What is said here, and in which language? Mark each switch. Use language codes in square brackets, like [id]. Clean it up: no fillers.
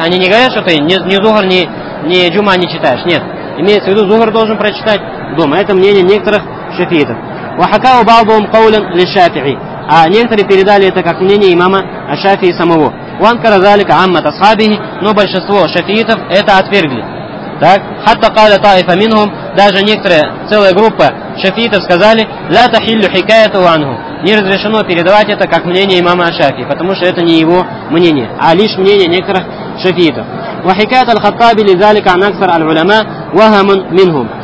[ru] Они не говорят, что ты ни зухр, ни джума не читаешь. Нет. Имеется в виду, зухр должен прочитать дома. Это мнение некоторых шафиитов. [ar] وَحَكَاهُ بَعْضُهُمْ قَوْلًا لِلشَّافِعِي. [ru] А некоторые передали это как мнение имама Ашафии самого. [ar] وَانْكَرَ ذَلِكَ عَمَّةَ أَصْحَابِهِ. [ru] Но большинство шафиитов это отвергли. [ar] Так, حَتَّى قَالَ طَائِفَ مِنْهُمْ. [ru] Даже некоторая целая группа шафиитов сказали: [ar] لَا تَحِلُّ حِكَايَةُ عَنْهُ. [ru] Не разрешено передавать это как мнение имама Ашафии, потому что это не его мнение, а лишь мнение некоторых шафиитов. [ar] وَحِكَايَةُ الْخَطَّابِ لِذَلِكَ عَنْ أَكْثَرِ الْعُلَمَاءِ وَهَمٌ مِنْهُمْ.